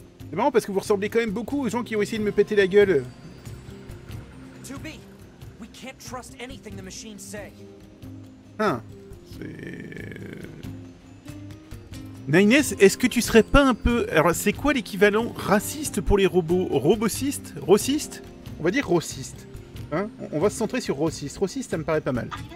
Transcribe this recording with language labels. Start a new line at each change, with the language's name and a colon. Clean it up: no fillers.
French: C'est marrant parce que vous ressemblez quand même beaucoup aux gens qui ont essayé de me péter la gueule.
English: 2B, we can't trust anything the machines say.
French: Hein. Nainès, est-ce que tu serais pas un peu... Alors, c'est quoi l'équivalent raciste pour les robots? Robociste? Rossiste? On va dire rossiste. Hein? On va se centrer sur rossiste. Rossiste, ça me paraît pas mal.